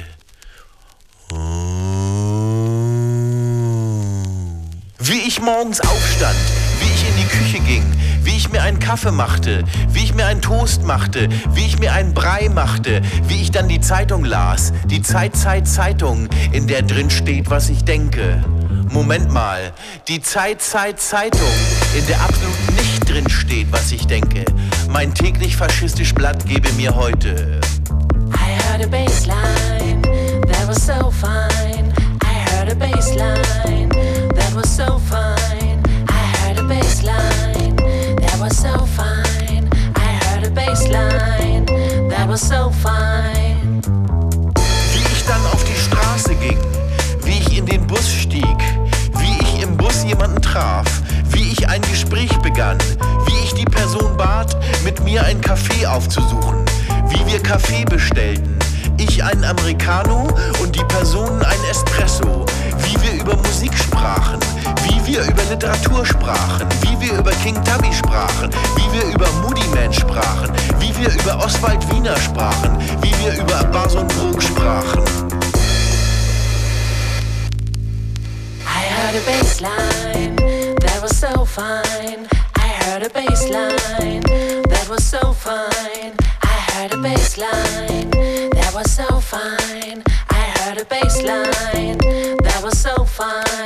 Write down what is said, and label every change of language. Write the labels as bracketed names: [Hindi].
[German] Wie ich morgens aufstand, wie ich in die Küche ging, wie ich mir einen Kaffee machte, wie ich mir einen Toast machte, wie ich mir einen Brei machte, wie ich dann die Zeitung las, die Zeit-Zeit-Zeitung, in der drin steht, was ich denke. Moment mal, die Zeit-Zeit-Zeitung, in der absolut nicht drin steht, was ich denke. Mein täglich faschistisch Blatt gebe mir heute. [English] I heard a bassline that was so fine. I heard a bassline that was so fine. I heard a bassline that was so fine. I heard a bassline that was so fine. [German] Wie ich dann auf die Straße ging, wie ich in den Bus stieg, wie ich im Bus jemanden traf, wie ich ein Gespräch begann, wie ich die Person bat, mit mir einen Kaffee aufzusuchen. Wie wir Kaffee bestellten, ich einen Americano und die Person ein Espresso. Wie wir über Musik sprachen, wie wir über Literatur sprachen, wie wir über King Tubby sprachen, wie wir über Moody Man sprachen, wie wir über Oswald Wiener sprachen, wie wir über Barson Brook sprachen. [English] I heard a bassline that was so fine. I heard a bassline that was so fine. I heard a bassline that was so fine. I heard a bassline that was so fine.